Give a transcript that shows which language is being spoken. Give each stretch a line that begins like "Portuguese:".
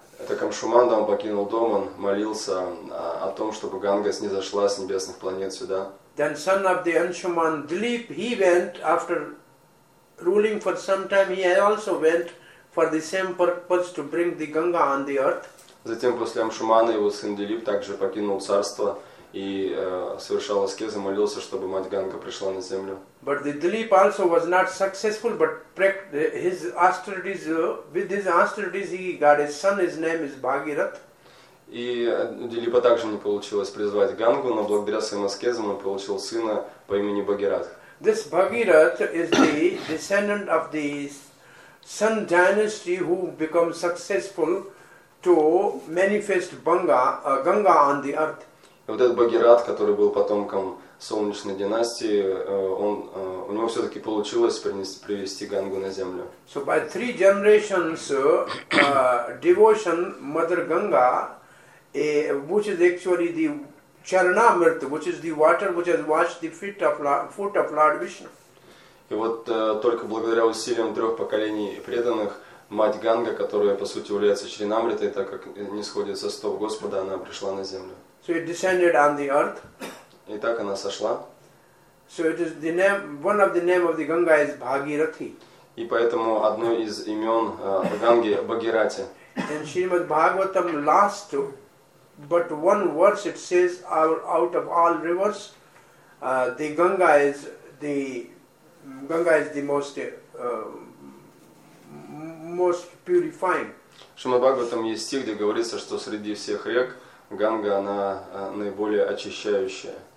Russian: Так Аншуман, да, он покинул дом, он молился о том, чтобы Ганга снизошла с небесных планет сюда.
English: Then son of the Аншуман Dilip, he went after ruling for some time, he also went for the same purpose to bring the Ganga on the earth.
Russian: Затем после Амшумана его сын Дилип также покинул царство и совершал аскезы, молился, чтобы мать Ганга пришла на землю.
English: But the Dilip also was not successful, but his austerities, with his austerities he got a son, his name is Bhagirath.
Russian: И Дилипа также не получилось призвать Гангу, но благодаря своим аскезам он получил сына по имени Бхагират.
English: This Bhagirath is the descendant of the Sun dynasty who become successful to manifest Ganga on the earth.
Russian: Вот этот Бхагират, который был потомком Солнечной династии, у него все-таки получилось привести Гангу на землю.
English: So by three generations devotion, Mother Ganga, which is actually the Charanamrit, which is the water which has washed the foot of Lord Vishnu.
Russian: И вот только благодаря усилиям трех поколений преданных, мать Ганга, которая по сути является Чаринамритой, так как не сходит со стоп Господа, она пришла на землю.
English: So it descended on the earth.
Russian: И так она сошла.
English: So it is the name, one of the name of the Ganga is Bhagirathi.
Russian: И поэтому одно из имен Ганги – Бхагирати.
English: And Srimad Bhagavatam last two. But one verse it says, out of all rivers, the Ganga is the most purifying.
Russian: Шримад Бхагаватам есть стих, где говорится, что среди всех рек Ганга она наиболее очищающая.